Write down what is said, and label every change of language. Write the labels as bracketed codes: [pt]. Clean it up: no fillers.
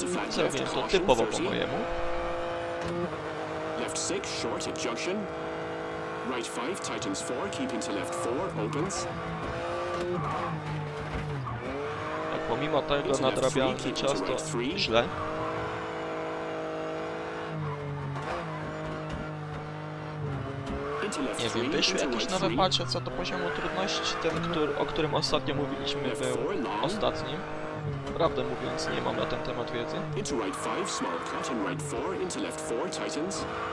[pl] Zrobię to typowo po mojemu. [en] Left 6, short at junction. Right 5, tightens 4, keep into left 4, opens. [pl] Tak, pomimo tego nadrabiamy czas, to źle. Nie wiem, wyszły jakieś nowe patche co do poziomu trudności, ten, który, o którym ostatnio mówiliśmy, był ostatnim. Prawdę mówiąc, nie mam na ten temat wiedzy. [en] Into right 5, small cut, and right 4, into left 4, tightens.